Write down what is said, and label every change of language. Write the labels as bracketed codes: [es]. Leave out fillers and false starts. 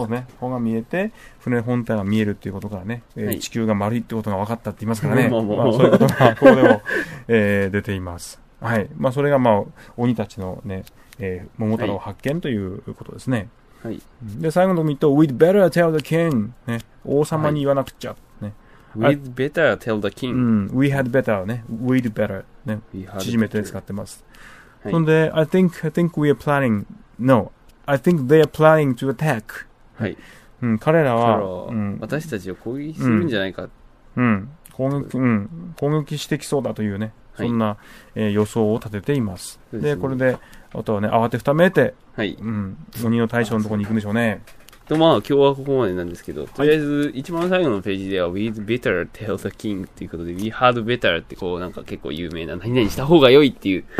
[ja] そうね、穂が見えて船本体が見えるっていうことからね、はい、地球が丸いってことが分かったって言いますからね。まあ、そういうことがここでも、出ています。はい、まあ、それがまあ鬼たちのね、桃太郎発見ということですね。はい、で最後のミット、はい、 [en] We'd better tell the king、 [ja] ね、王様に言わなくちゃ、はい、 [en] We'd better tell the king.、うん、We had better ね。 We'd better [ja] ね。縮めて使ってます。 [en] はい、そんで、I think we are planning. No, I think they are planning to attack. [ja] はい。うん、彼らは、うん、私たちを攻撃するんじゃないか。うん、攻撃してきそうだというね。そんな、はい、予想を立てています。で、これで、あとはね、慌てふためいて、はい、うん、鬼の大将のところに行くんでしょうね。とまあ今日はここまでなんですけど、とりあえず一番最後のページでは、はい、 [en] We'd better tell the king [ja] ということで、 [en] We had better [ja] ってこうなんか結構有名な何々した方が良いっていう、